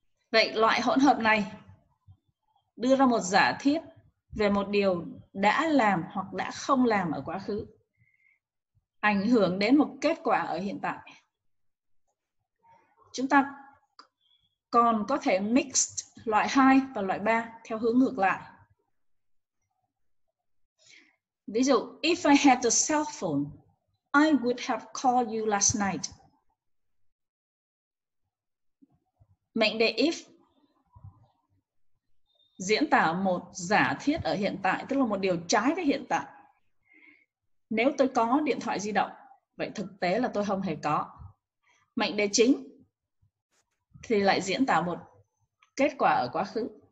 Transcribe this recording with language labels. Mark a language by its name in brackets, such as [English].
[Vietnamese] Vậy loại hỗn hợp này đưa ra một giả thiết về một điều đã làm hoặc đã không làm ở quá khứ, ảnh hưởng đến một kết quả ở hiện tại. Chúng ta còn có thể mixed loại 2 và loại 3 theo hướng ngược lại. Ví dụ, [English] if I had the cell phone, I would have called you last night. [Vietnamese] Mệnh đề if diễn tả một giả thiết ở hiện tại, tức là một điều trái với hiện tại. Nếu tôi có điện thoại di động, vậy thực tế là tôi không hề có. Mệnh đề chính thì lại diễn tả một kết quả ở quá khứ.